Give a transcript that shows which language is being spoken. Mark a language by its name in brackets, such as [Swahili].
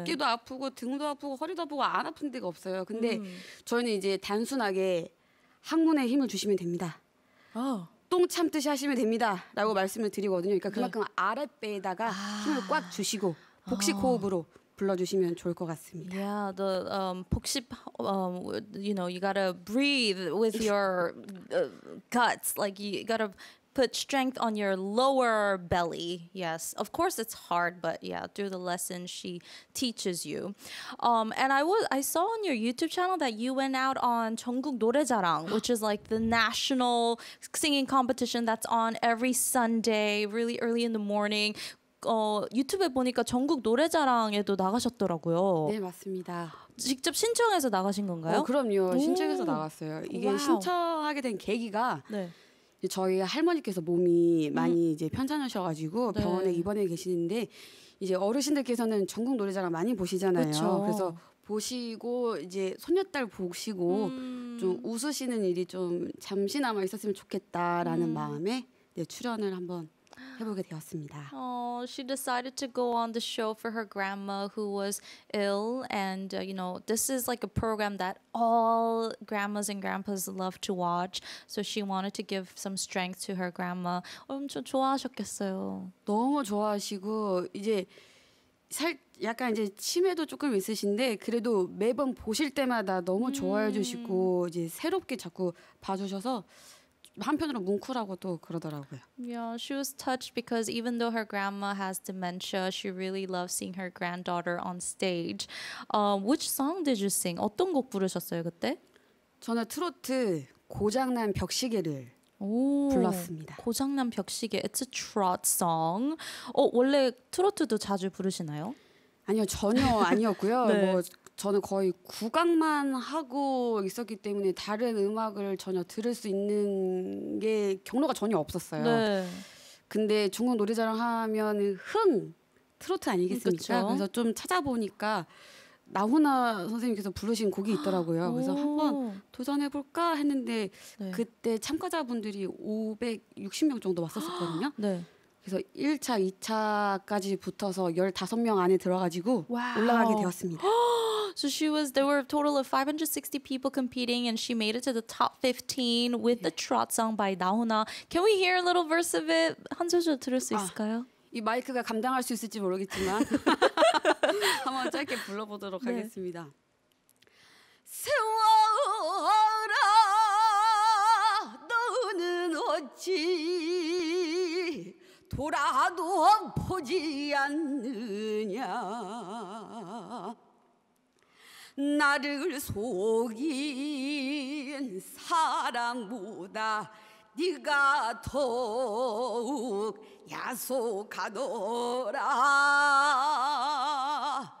[Korean] 어깨도 아프고 등도 아프고 허리도 아프고 안 아픈 데가 없어요. 근데 저희는 이제 단순하게 항문에 힘을 주시면 됩니다. 똥 참듯이 하시면 됩니다 라고 말씀을 드리거든요. 그러니까 그만큼 네. 아랫배에다가 힘을 꽉 주시고 복식호흡으로 불러주시면 좋을 것 같습니다. [English] Yeah, the 복식, you know, you gotta breathe with your guts. Like you gotta put strength on your lower belly. Yes, of course it's hard, but yeah, through the lesson she teaches you. And I saw on your YouTube channel that you went out on 전국 노래자랑, which is like the national singing competition that's on every Sunday, really early in the morning. [Korean] 유튜브에 보니까 전국 노래자랑에도 나가셨더라고요. 네, 맞습니다. 직접 신청해서 나가신 건가요? 그럼요. 신청해서 나갔어요. 이게 와우. 신청하게 된 계기가 네. 저희 할머니께서 몸이 많이 이제 편찮으셔가지고 네. 병원에 입원해 계시는데 이제 어르신들께서는 전국 노래자랑 많이 보시잖아요. 그쵸. 그래서 보시고 이제 손녀딸 보시고 좀 웃으시는 일이 좀 잠시나마 있었으면 좋겠다라는 마음에 네, 출연을 한번 해보게 되었습니다. [English] Oh, she decided to go on the show for her grandma who was ill. And, you know, this is like a program that all grandmas and grandpas love to watch. So she wanted to give some strength to her grandma. [Korean] 엄청 좋아하셨겠어요. 너무 좋아하시고 이제 약간 이제 치매도 조금 있으신데 그래도 매번 보실 때마다 너무 좋아해 주시고 이제 새롭게 자꾸 봐주셔서 한편으로 뭉클하고 또 그러더라고요. [English] Yeah, she was touched because even though her grandma has dementia, she really loves seeing her granddaughter on stage. Which song did you sing? [Korean] 어떤 곡 부르셨어요, 그때? 저는 트로트 고장난 벽시계를 오, 불렀습니다. [English] 고장난 벽시계. It's a trot song. [Korean] 원래 트로트도 자주 부르시나요? 아니요, 전혀 아니었고요. 네. 저는 거의 국악만 하고 있었기 때문에 다른 음악을 전혀 들을 수 있는 게 경로가 전혀 없었어요. 네. 근데 중국 노래자랑 하면 흥 트로트 아니겠습니까? 그쵸? 그래서 좀 찾아보니까 나훈아 선생님께서 부르신 곡이 있더라고요. 그래서 한번 도전해볼까 했는데 네. 그때 참가자분들이 560명 정도 왔었거든요. 네. 그래서 1차, 2차까지 붙어서 15명 안에 들어가지고 wow. 올라가게 되었습니다. [English] So she was, there were a total of 560 people competing and she made it to the top 15 with yeah. the trot song by 나훈아. Can we hear a little verse of it? [Korean] 한 소절 들을 수 있을까요? 이 마이크가 감당할 수 있을지 모르겠지만 한번 짧게 불러보도록 네. 하겠습니다. 세워라 너는 어찌 돌아도 보지 않느냐 나를 속인 사람보다 네가 더욱 야속하더라.